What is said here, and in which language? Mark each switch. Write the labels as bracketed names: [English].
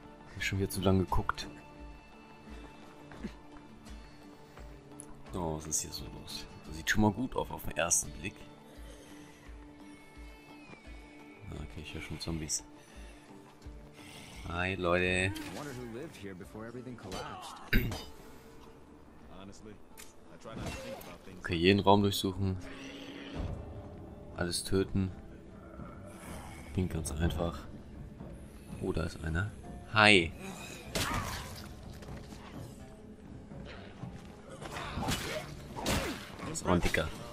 [German] Ich habe schon wieder zu lange geguckt. Oh, was ist hier so los? Das sieht schon mal gut auf den ersten Blick. Okay, ich höre schon Zombies. Hi, Leute. [English] I wonder who lived here before everything collapsed. Honestly, I try not to think about things. [German] Okay, jeden Raum durchsuchen. Alles töten. Bin ganz einfach. Oh, da ist einer. Hi. Das war ein Dicker.